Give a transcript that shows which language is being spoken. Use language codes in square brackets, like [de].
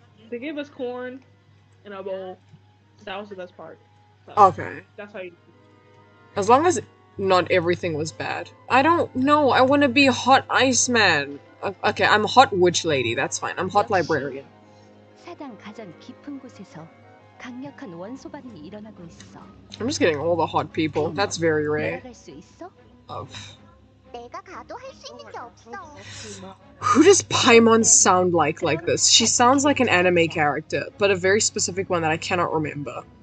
[en] They gave us corn and a bowl. That was the best part. So okay. That's how you do it. As long as not everything was bad. I don't know. I want to be hot Iceman. Okay, I'm hot witch lady. That's fine. I'm hot librarian. [ko] 사당 가장 깊은 곳에서 강력한 원소 반응이 일어나고 있어. [en] I'm just getting all the hot people. That's very rare. Oh. [ko] 내가 가도 할 수 있는 게 없어. [en] Who does Paimon sound like this? She sounds like an anime character, but a very specific one that I cannot remember.